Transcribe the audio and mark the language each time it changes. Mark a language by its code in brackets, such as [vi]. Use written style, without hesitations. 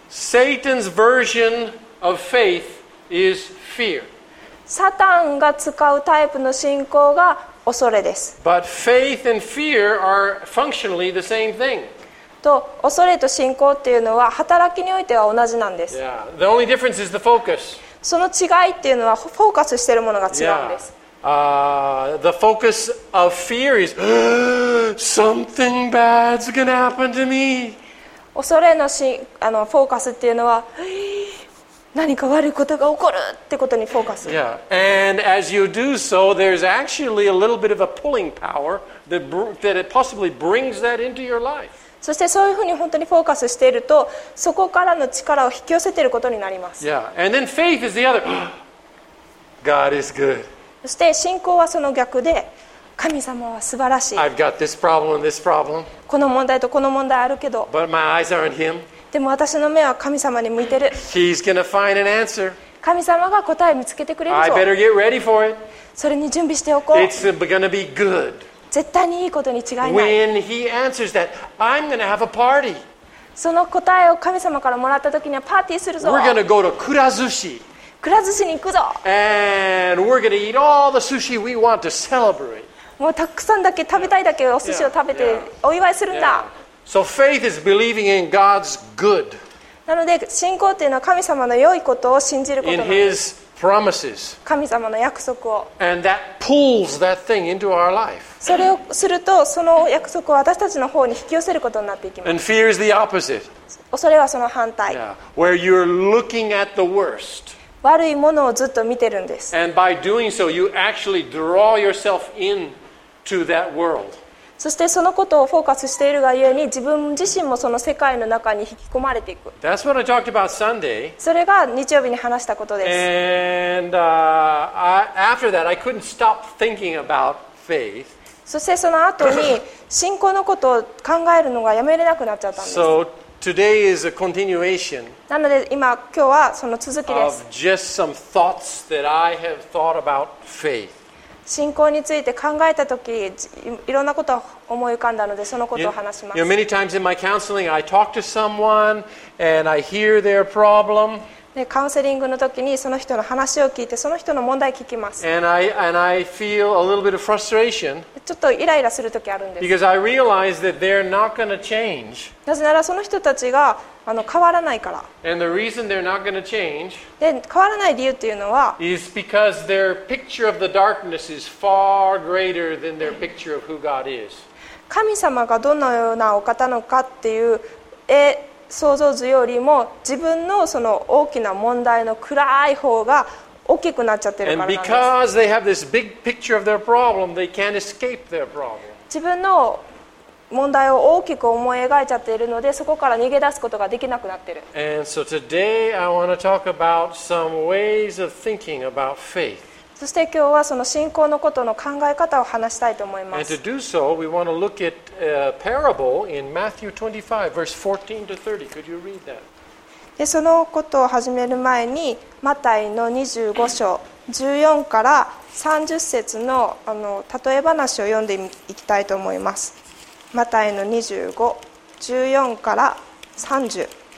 [en] Satan's version of faith is fear. [ja] サタンが使うタイプの信仰が恐れです。 [en] But faith and fear are functionally the same thing. [ja] と恐れと信仰っていうのは働きにおいては同じなんです。 [en] Yeah. The only difference is the focus. [ja] その違いっていうのはフォーカスしているものが違うんです。 [en] Yeah. The focus of fear is something bad's gonna happen to me. [ja] 恐れの信あのフォーカスっていうのは何か悪いことが起こるってことにフォーカス。 [en] Yeah. And as you do so, there's actually a little bit of a pulling power that it possibly brings that into your life. [ja] そしてそういうふうに本当にフォーカスしていると、そこからの力を引き寄せていることになります。 [en] Yeah. And then faith is the other. God is good. [ja] そして信仰はその逆で、神様は素晴らしい。 [en] I've got this problem and this problem. [ja] この問題とこの問題あるけど。 [en] But my eyes are on Him. [ja] でも私の目は神様に向いてる。 [en] He's gonna find an answer. [ja] 神様が答え見つけてくれるぞ。 [en] I better get ready for it. [ja] それに準備しておこう。 [en] It's gonna be good. [ja] 絶対にいいことに違いない。 [en] When he answers that, I'm gonna have a party. [ja] その答えを神様からもらった時にはパーティーするぞ。 [en] We're gonna go to くら寿司。 [ja] くら寿司に行くぞ。 [en] And we're gonna eat all the sushi we want to celebrate. [ja] もうたくさんだけ食べたいだけお寿司を食べてお祝いするんだ。 [en] yeah. Yeah. Yeah. So faith is believing in God'sGood. [ja] なので信仰というのは神様の良いことを信じることなんです。 [en] In His promises. [ja] 神様の約束を。 [en] And that pulls that thing into our life. [ja] それをするとその約束を私たちの方に引き寄せることになっていきます。 [en] And fear is the opposite. [ja] 恐れはその反対。 [en] Yeah. Where you're looking at the worst. [ja] 悪いものをずっと見てるんです。 [en] And by doing so, you actually draw yourself into that world. [ja] そしてそのことをフォーカスしているがゆえに自分自身もその世界の中に引き込まれていく。 [en] That's what I talked about Sunday. [ja] それが日曜日に話したことです。 [en] And, after that, I couldn't stop thinking about faith. [ja] そしてその後に信仰のことを考えるのがやめれなくなっちゃったんです。 [en] So, today is a continuation. [ja] なので今日はその続きです。 [en] Of just some thoughts that I have thought about faith. [ja] 信仰について考えたとき、いろんなことを思い浮かんだので、そのことを話します。 [en] You know, many times in my counseling, I talk to someone and I hear their problem. [ja] で、カウンセリングのときにその人の話を聞いて、その人の問題を聞きます。 [en] And I feel a little bit of frustration. [ja] ちょっとイライラするときあるんです。 [en] Because I realize that they're not going to change. [ja] なぜならその人たちが変わらないから。 [en] And the reason they're not going to change. [ja] で、変わらない理由っていうのは。 [en] Is because their picture of the darkness is far greater than their picture of who God is. [ja] 神様がどのようなお方なのかっていう絵想像図よりも自分のその大きな問題の暗い方が大きくなっちゃってるからなんです。 [en] And because they have this big picture of their problem, they can't escape their problem. [ja] 自分の問題を大きく思い描いちゃっているので、そこから逃げ出すことができなくなってる。 [en] And so today I want to talk about some ways of thinking about faith. そして今日はその信仰のことの考え方を話したいと思います。 And to do so, we want to look at a parable in Matthew 25, verse 14 to 30. Could you read that? [ja] でそのことを始める前にマタイの25章14から30節 の, あの例え話を読んでいきたいと思います。マタイの25、14から30。